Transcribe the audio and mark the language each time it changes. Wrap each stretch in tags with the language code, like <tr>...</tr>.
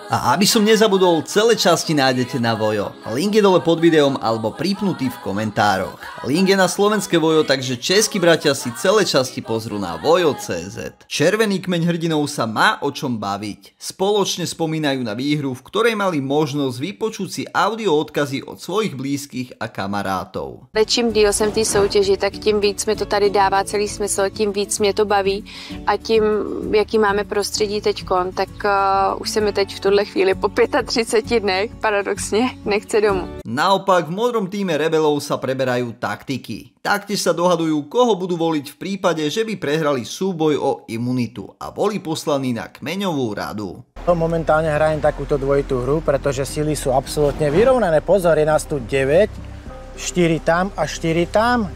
<sk>A aby som nezabudol, celé časti nájdete na Vojo. Link je dole pod videom alebo pripnutý v komentároch. Link je na slovenské Vojo, takže českí bratia si celé časti pozrú na Vojo.cz. Červený kmeň hrdinov sa má o čom baviť. Spoločne spomínajú na výhru, v ktorej mali možnosť vypočuť si audio odkazy od svojich blízkych a kamarátov.</sk> <cs>Čím díl sem tý soutěži, tak tím víc mi to tady dává celý smysl, tím víc mě to baví a tím, jaký máme prostředí teďkon, tak už se mi teď v tuhle chvíli po 35 dnech paradoxně nechce domů.</cs> <sk>Naopak v modrom týme rebelov sa preberajú taktiky. Taktiež sa dohadujú, koho budú voliť v prípade, že by prehrali súboj o imunitu a boli poslaní na kmeňovú radu. Momentálne hrajem takúto dvojitú hru, pretože síly sú absolútne vyrovnané. Pozor, je nás tu 9, 4 tam a 4 tam.</sk>